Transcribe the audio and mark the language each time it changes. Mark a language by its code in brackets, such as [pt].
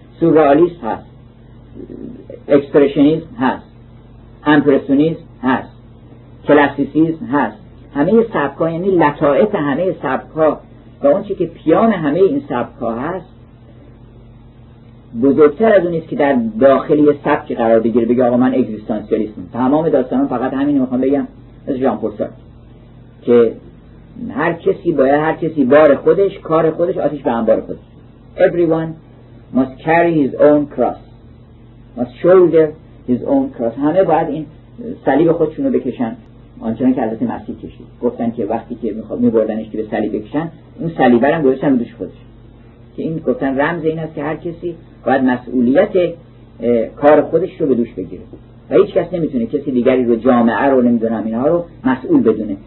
[fa] سورئالیست هست، اکسپرشنیسم هست، امپرسیونیسم هست، کلاسیسیسم هست، همه سبک ها، یعنی لطائف همه سبک ها و اون چی که پیام همه این سبک ها هست بزرگتر از اونیست که در داخل یه سبک قرار بگیره بگه آقا من اگزیستانسیالیستم. تمام داستانم فقط همین میخوام بگم، مثل ژان پل سارتر که هر کسی باید، هر کسی بار خودش، کار خودش، آتش به انبار خودش. [en] Everyone must carry his own cross. Must shoulder his own cross. [fa] همه باید این صلیب خودشونو بکشن، آنچنان که حضرت مسیح کشید. گفتن که وقتی که میخواد میبردنش که به صلیب بکشن، اون صلیب رو هم گذاشتن دوش خودش. که این گفتن رمز این است که هر کسی باید مسئولیت کار خودش رو به دوش بگیره. و هیچ کس نمیتونه کسی دیگری رو، جامعه رو، نمیدونم اینها رو مسئول بدونه.